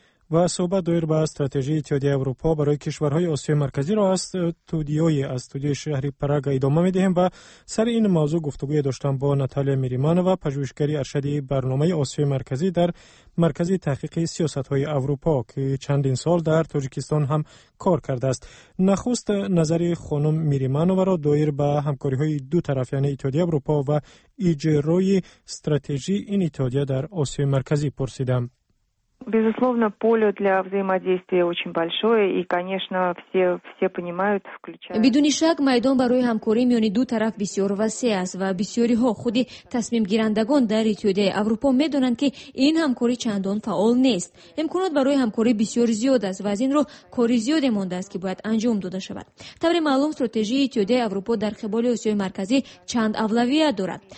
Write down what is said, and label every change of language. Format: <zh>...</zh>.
<fa>و صحبت دایر به استراتژی اتحادیه اروپا برای کشورهای آسیای مرکزی را از استودیوی شهری پراگ ادامه می دهیم و سر این موضوع گفتگوی داشتم با ناتالیا میریمانوا، پژوهشگری ارشد برنامه آسیای مرکزی در مرکز تحقیق سیاست های اروپا که چندین سال در تاجیکستان هم کار کرده است. نخست نظری خانم میریمانوا را دایر به همکاری های دو طرف یعنی اتحادیه اروپا و اجرای استراتژی این اتحادیه در آسیای مرکزی پرسیدم.</fa> <ru>Безусловно, поле для взаимодействия очень большое, и, конечно, все понимают, включая.</ru> <tg>Бидуни шак майдон барои ҳамкори миёни ду тараф бисёр васеъ аст ва бисёриҳо худи тасмимгирандагон дар Иттиҳодияи Аврупо медонанд ки ин ҳамкори чандон фаъол нест. Имконот барои ҳамкори бисёр зиёд аст ва аз ин ро кори зиёде мондааст ки бояд анҷом дода шавад. Тавре маълум стратегияи Иттиҳодияи Аврупо дар қибали Осиёи марказӣ чанд авлавият дорад.</tg>